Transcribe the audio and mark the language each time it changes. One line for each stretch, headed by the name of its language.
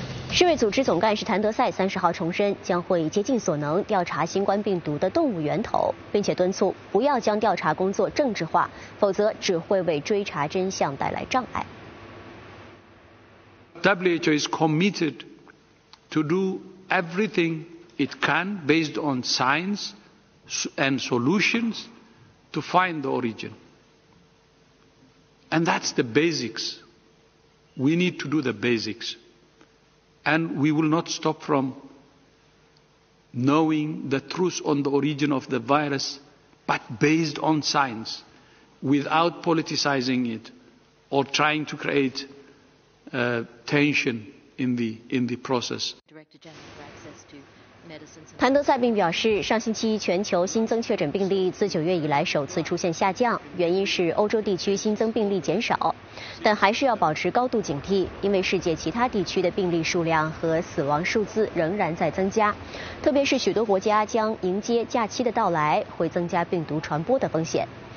Chinese: 世卫组织总干事谭德赛30号重申，将会竭尽所能调查新冠病毒的动物源头，并且敦促不要将调查工作政治化，否则只会为追查真相带来障碍。
English: WHO is committed to do everything it can based on science and solutions to find the origin. And that's the basics. We need to do the basics. And we will not stop from knowing the truth on the origin of the virus, but based on science, without politicizing it or trying to create, tension in the process.
Chinese: 谭德赛并表示，上星期全球新增确诊病例自九月以来首次出现下降，原因是欧洲地区新增病例减少，但还是要保持高度警惕，因为世界其他地区的病例数量和死亡数字仍然在增加，特别是许多国家将迎接假期的到来，会增加病毒传播的风险。